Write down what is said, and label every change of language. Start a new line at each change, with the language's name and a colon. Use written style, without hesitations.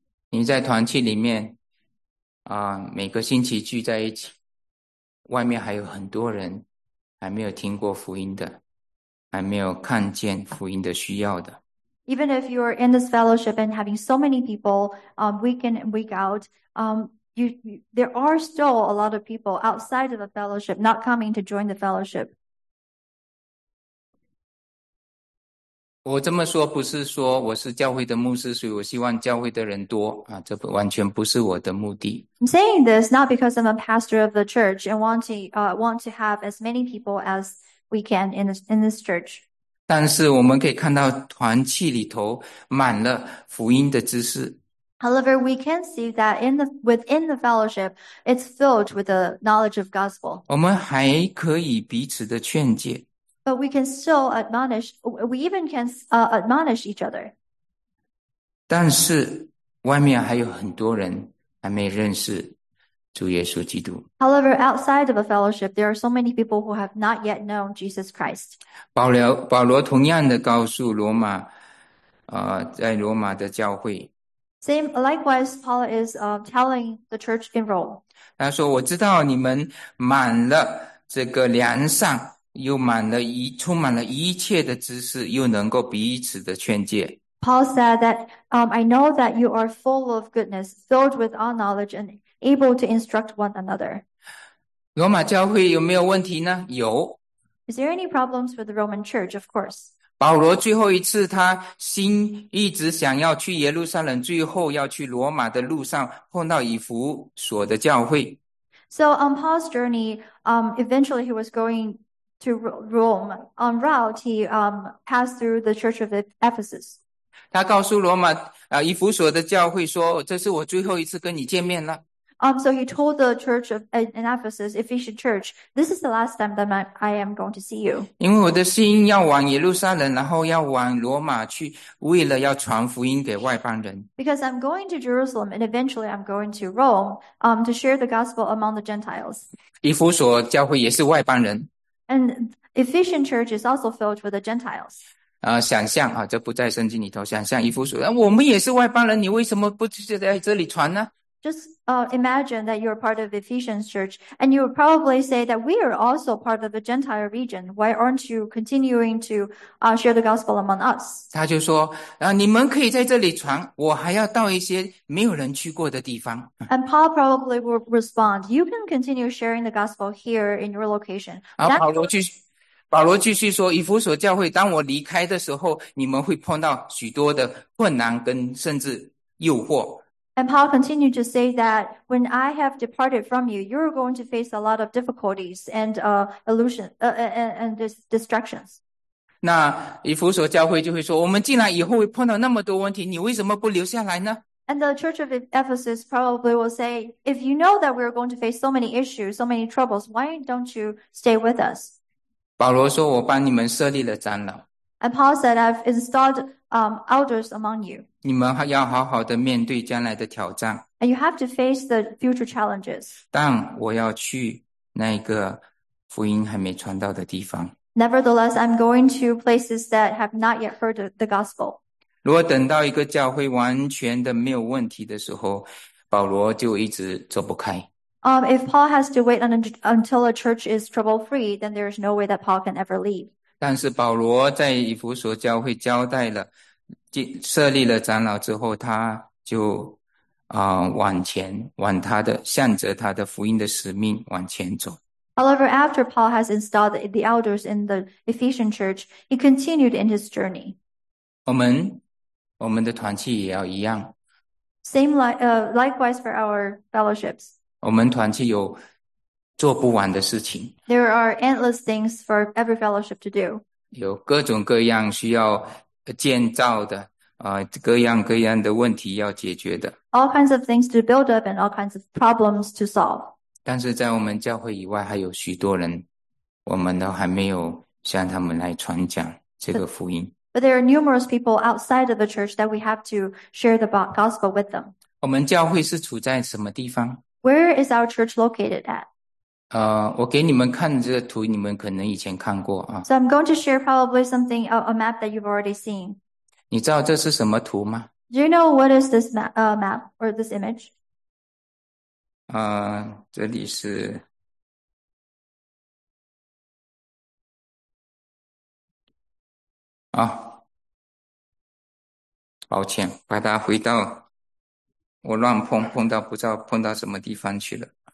Chinese: 你在团契里面每个星期聚在一起，外面还有很多人还没有听过福音的，还没有看见福音的需要的。
English: Even if you are in this fellowship and having so many people, week in and week out, there are still a lot of people outside of the fellowship not coming to join the fellowship.
Chinese: 我这么说不是说我是教会的牧师，所以我希望教会的人多啊，这不完全不是我的目的。
English: I'm saying this not because I'm a pastor of the church and want to have as many people as we can in this church.
Chinese: 但是我们可以看到团契里头满了福音的知识。
English: However, we can see that within the fellowship, it's filled with the knowledge of gospel.
Chinese: 我们还可以彼此的劝诫。
English: But we can still admonish, we even can admonish each other.
Chinese: 但是外面还有很多人还没认识主耶稣基督。
English: However, outside of a fellowship, there are so many people who have not yet known Jesus Christ.
Chinese: 保罗同样的告诉罗马，在罗马的教会。
English: Same, likewise, Paul is telling the church in Rome.
Chinese: 他说，我知道你们满了这个粮上。又满了一充满了一切的知识，又能够彼此的劝诫。
English: Paul said that, I know that you are full of goodness, filled with all knowledge, and able to instruct one another.
Chinese: 罗马教会有没有问题呢？有。
English: Is there any problems with the Roman Church? Of course.
Chinese: 保罗最后一次，他心一直想要去耶路撒冷，最后要去罗马的路上碰到以弗所的教会。
English: So on Paul's journey, eventually he was going to Rome. On route, he passed through the church of Ephesus.
Chinese: 他告诉罗马以弗所的教会说：“这是我最后一次跟你见面了。”
English: So he told the church of in Ephesus, Ephesian church, this is the last time that I am going to see you.
Chinese: 因为我的心要往耶路撒冷，然后要往罗马去，为了要传福音给外邦人。
English: Because I'm going to Jerusalem and eventually I'm going to Rome, to share the gospel among the Gentiles.
Chinese: 以弗所教会也是外邦人。
English: And Ephesian church is also filled with the Gentiles.
Chinese: 想象啊，这不在圣经里头。想象以弗所，我们也是外邦人，你为什么不就在这里传呢？
English: Just imagine that you're part of Ephesians Church, and you would probably say that we are also part of the Gentile region. Why aren't you continuing to share the gospel among us?
Chinese: 他就说，你们可以在这里传，我还要到一些没有人去过的地方。
English: And Paul probably will respond, you can continue sharing the gospel here in your location.
Chinese: 保罗继续说，以弗所教会，当我离开的时候，你们会碰到许多的困难跟甚至诱惑。
English: And Paul continued to say that when I have departed from you, you're going to face a lot of difficulties and distractions.
Chinese: 那以弗所教会就会说，我们进来以后会碰到那么多问题，你为什么不留下来呢？
English: And the church of Ephesus probably will say, if you know that we're going to face so many issues, so many troubles, why don't you stay with us?
Chinese: 保罗说，我帮你们设立了长老。
English: And Paul said, I've installed elders among you.
Chinese: 你们要好好的面对将来的挑战。
English: And you have to face the future challenges.
Chinese: 但我要去那个福音还没传到的地方。
English: Nevertheless, I'm going to places that have not yet heard the gospel.
Chinese: 如果等到一个教会完全的没有问题的时候，保罗就一直走不开。
English: If Paul has to wait until a church is trouble-free, then there is no way that Paul can ever leave.
Chinese: 但是保罗在以弗所教会交代了，设立了长老之后，他就往前，往他的向着他的福音的使命往前走。
English: However, after Paul has installed the elders in the Ephesian church, he continued in his journey.
Chinese: 我们的团契也要一样。
English: Same likewise for our fellowships.
Chinese: 我们团契有做不完的事情。
English: There are endless things for every fellowship to do.
Chinese: 有各种各样需要建造的，各样各样的问题要解决的。
English: All kinds of things to build up and all kinds of problems to solve.
Chinese: 但是在我们教会以外还有许多人，我们都还没有向他们来传讲这个福音。
English: But there are numerous people outside of the church that we have to share the gospel with them.
Chinese: 我们教会是处在什么地方？
English: Where is our church located at?
Chinese: 我给你们看这个图，你们可能以前看过啊。
English: So I'm going to share probably something, a map that you've already seen.
Chinese: 你知道这是什么图吗？
English: Do you know what is this map or this image?
Chinese: 这里是，抱歉，把它回到，我乱碰，碰到不知道碰到什么地方去了。